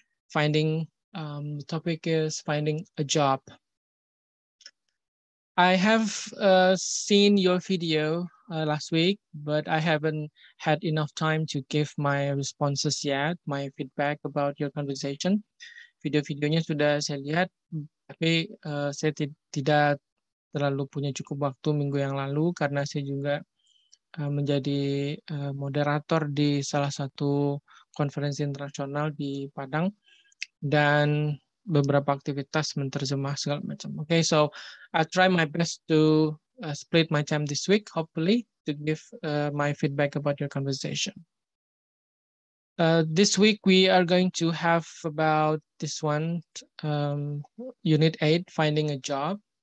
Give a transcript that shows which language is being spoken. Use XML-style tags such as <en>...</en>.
<en>Finding, the topic is finding a job. I have seen your video last week, but I haven't had enough time to give my responses yet, my feedback about your conversation.</en> <id>Video-videonya sudah saya lihat, tapi saya tidak terlalu punya cukup waktu minggu yang lalu karena saya juga menjadi moderator di salah satu konferensi internasional di Padang dan beberapa aktivitas menerjemah segala macam.</id> <en>Okay, so I try my best to split my time this week, hopefully, to give my feedback about your conversation. This week, we are going to have about this one, Unit 8, finding a job.</en>